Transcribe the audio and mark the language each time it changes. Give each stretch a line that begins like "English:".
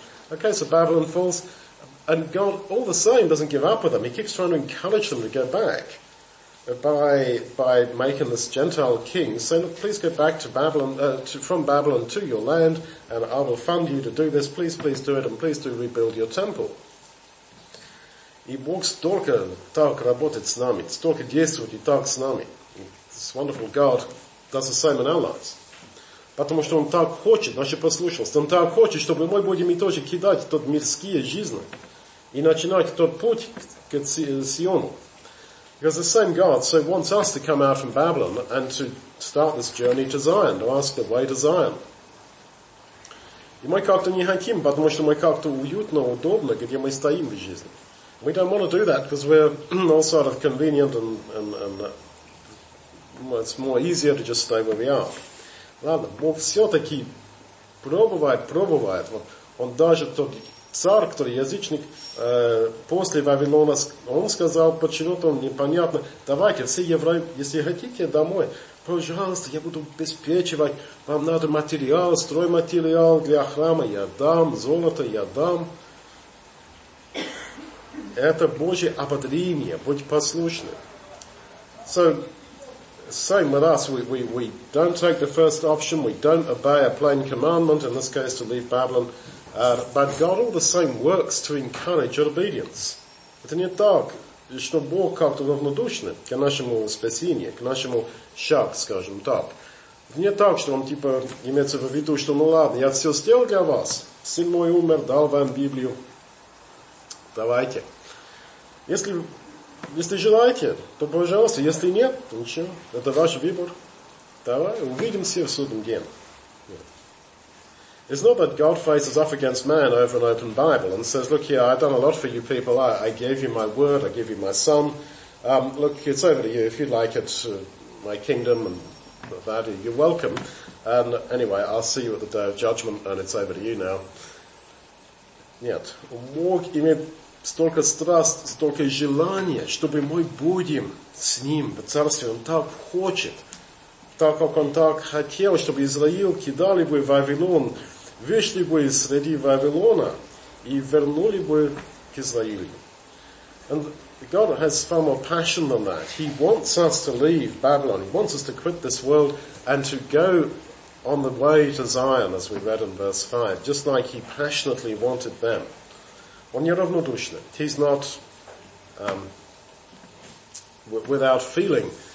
English: Okay, so Babylon falls, and God, all the same, doesn't give up with them. He keeps trying to encourage them to go back by making this Gentile king say, look, please go back to Babylon, from Babylon to your land, and I will fund you to do this. Please, please do it, and please do rebuild your temple.
Russian: И Бог столько так работает с нами, столько действует и так с нами.
English: This wonderful God does the same in our lives.
Russian: Потому что он так хочет, значит послушался, он так хочет, чтобы мы будем и тоже кидать тот мирские жизни и начинать тот путь к Сиону.
English: Because the same God so wants us to come out from Babylon and to start this journey to Zion, to ask the way to Zion.
Russian: И мы как-то не хотим, потому что мы как-то уютно, удобно, где мы стоим в жизни.
English: We don't want to do that because we're all sort of convenient and it's more easier to just stay where we are.
Russian: Ладно, Бог все-таки пробывает. Вот он даже тот царь, который язычник, после Вавилона, он сказал, почему-то непонятно, давайте, все евреи, если хотите, домой, пожалуйста, я буду обеспечивать, вам надо материал, стройматериал для храма, я дам, золото я дам. Это Божье ободрение, будь послушны.
English: So, same with us, we don't take the first option, we don't obey a plain commandment, in this case to leave Babylon, but God all the same works to encourage your obedience.
Russian: Это не так, что Бог как-то равнодушный к нашему спасению, к нашему шагу, скажем так. Это не так, что он типа имеется в виду, что ну ладно, я все сделал для вас, сын мой умер, дал вам Библию, давайте. Если желаете, то пожалуйста, если нет, то ничего, это ваш выбор. Давай, увидимся в судный день.
English: Yeah. It's not that God faces off against man over an open Bible and says, look here, I've done a lot for you people, I gave you my word, I gave you my son. Look, it's over to you, if you'd like it, my kingdom and that, you're welcome. And anyway, I'll see you at the day of judgment and it's over to you now.
Russian: Нет, Бог имеет столько страст, столько желания, чтобы мы будем с ним в царстве. Он так хочет, так как он так хотел, чтобы Израил кидали бы Вавилон, вышли бы из среди Вавилона и вернули бы к Израилю.
English: And God has far more passion than that. He wants us to leave Babylon. He wants us to quit this world and to go on the way to Zion, as we read in verse 5, just like he passionately wanted them.
Russian: Он не равнодушный.
English: He's not without feeling.